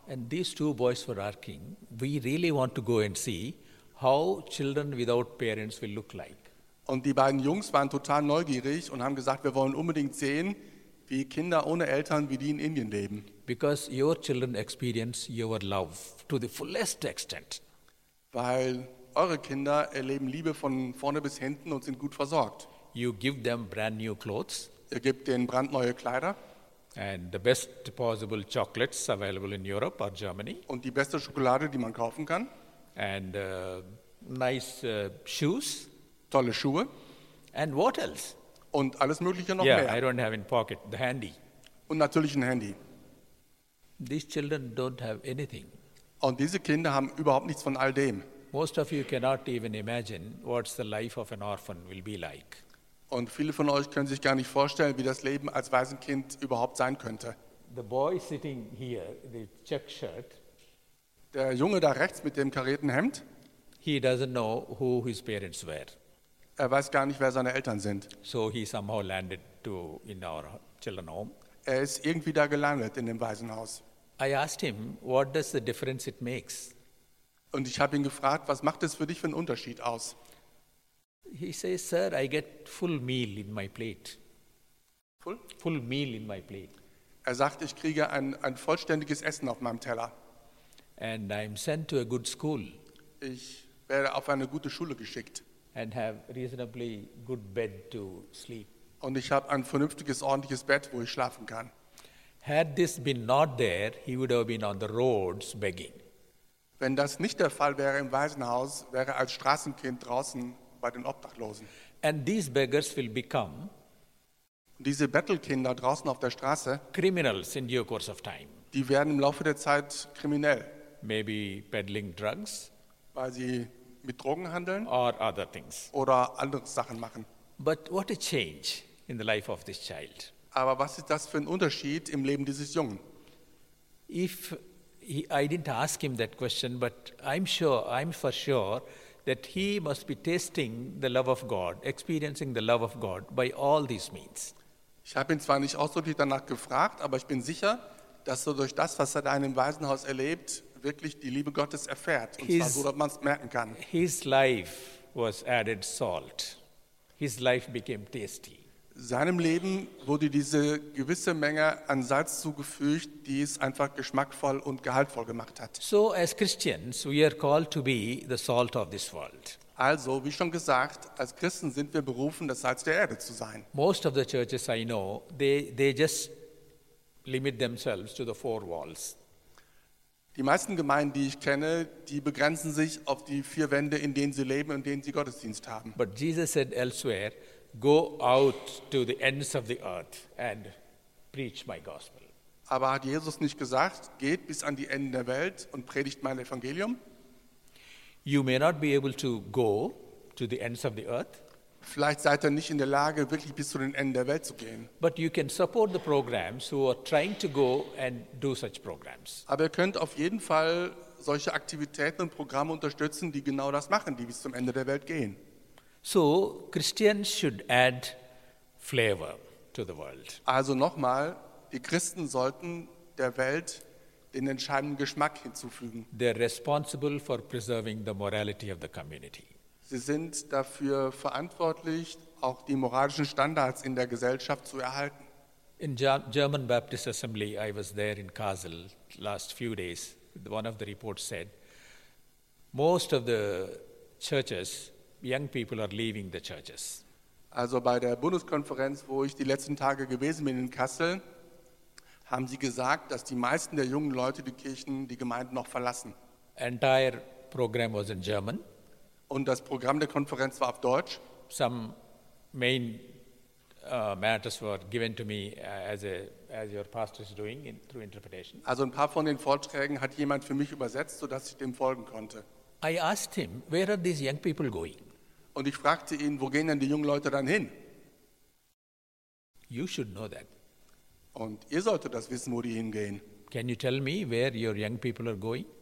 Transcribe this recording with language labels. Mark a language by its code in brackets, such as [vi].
[en] And these two boys were asking, we really want to go and see how children without parents will look like. [de] Und die beiden Jungs waren total neugierig und haben gesagt, wir wollen unbedingt sehen, wie Kinder ohne Eltern, wie die in Indien leben. [en] Because your children experience your love to the fullest extent. [de] Weil eure Kinder erleben Liebe von vorne bis hinten und sind gut versorgt. [en] You give them brand new clothes. [de] Ihr gebt denen brandneue Kleider. [en] And the best possible chocolates available in Europe or Germany. [de] Und die beste Schokolade, die man kaufen kann. [en] And nice shoes. [de] Tolle Schuhe. [en] And what else? [de] Und alles Mögliche noch [en] yeah, [de] mehr. [en] Yeah, I don't have in pocket the handy. [de] Und natürlich ein Handy. [en] These children don't have anything. [de] Und diese Kinder haben überhaupt nichts von all dem. [en] Most of you cannot even imagine what the life of an orphan will be like. [de] Und viele von euch können sich gar nicht vorstellen, wie das Leben als Waisenkind überhaupt sein könnte. [en] The boy sitting here in the check shirt. [de] Der Junge da rechts mit dem karierten Hemd. [en] He doesn't know who his parents were. [de] Er weiß gar nicht, wer seine Eltern sind. [en] So he somehow landed to in our children home. [de] Er ist irgendwie da gelandet in dem Waisenhaus. [en] I asked him, what does the difference it makes? [de] Und ich habe ihn gefragt, was macht es für dich für einen Unterschied aus? [en] He says, sir, I get full meal in my plate. Full? Full meal in my plate. [de] Er sagt, ich kriege ein vollständiges Essen auf meinem Teller. [en] And I'm sent to a good school. [de] Ich werde auf eine gute Schule geschickt. [en] And have reasonably good bed to sleep. [de] Und ich habe ein vernünftiges, ordentliches Bett, wo ich schlafen kann. [en] Had this been not there, he would have been on the roads begging. [de] Wenn das nicht der Fall wäre im Waisenhaus, wäre er als Straßenkind draußen bei den Obdachlosen. [en] And these beggars will become [de] diese Bettelkinder draußen auf der Straße [en] criminals in due course of time. [de] Die werden im Laufe der Zeit kriminell. [en] Maybe peddling drugs. [de] Weil sie mit Drogen handeln [en] or other things. [de] Oder andere Sachen machen. [en] But what a change in the life of this child. [de] Aber was ist das für ein Unterschied im Leben dieses Jungen? [en] I didn't ask him that question, but I'm for sure that he must be tasting the love of God, experiencing the love of God by all these means. [de] Ich habe ihn zwar nicht ausdrücklich danach gefragt, aber ich bin sicher, dass er durch das, was er da in dem Waisenhaus erlebt, wirklich die Liebe Gottes erfährt, und [en] his, [de] zwar so, dass man es merken kann. [en] His life was added salt. His life became tasty. [de] Seinem Leben wurde diese gewisse Menge an Salz zugefügt, die es einfach geschmackvoll und gehaltvoll gemacht hat. [en] So as Christians, we are called to be the salt of this world. [de] Also, wie schon gesagt, als Christen sind wir berufen, das Salz der Erde zu sein. [en] Most of the churches I know, they just limit themselves to the four walls. [de] Die meisten Gemeinden, die ich kenne, die begrenzen sich auf die vier Wände, in denen sie leben und in denen sie Gottesdienst haben. [en] But Jesus said elsewhere, go out to the ends of the earth and preach my gospel. [de] Aber hat Jesus nicht gesagt, geht bis an die Enden der Welt und predigt mein Evangelium? [en] You may not be able to go to the ends of the earth. [de] Vielleicht seid ihr nicht in der Lage, wirklich bis zu den Enden der Welt zu gehen. [en] But you can support the programs who are trying to go and do such programs. [de] Aber ihr könnt auf jeden Fall solche Aktivitäten und Programme unterstützen, die genau das machen, die bis zum Ende der Welt gehen. [en] So Christians should add flavor to the world. [de] Also nochmal, die Christen sollten der Welt den entscheidenden Geschmack hinzufügen. [en] They're responsible for preserving the morality of the community. [de] Sie sind dafür verantwortlich, auch die moralischen Standards in der Gesellschaft zu erhalten. [en] In German Baptist Assembly, I was there in Kassel last few days. One of the reports said, most of the churches, young people are leaving the churches. [de] Also bei der Bundeskonferenz, wo ich die letzten Tage gewesen bin in Kassel, haben sie gesagt, dass die meisten der jungen Leute die Kirchen, die Gemeinden noch verlassen. [en] Entire program was in German. [de] Und das Programm der Konferenz war auf Deutsch. [en] Some main matters were given to me as your pastor is doing through interpretation. [de] Also ein paar von den Vorträgen hat jemand für mich übersetzt, so dass ich dem folgen konnte. [en] I asked him, where are these young people going? [de] Und ich fragte ihn, wo gehen denn die jungen Leute dann hin? [en] You should know that. [de] Und ihr solltet das wissen, wo die hingehen. [en] Can you tell me where your young people are going?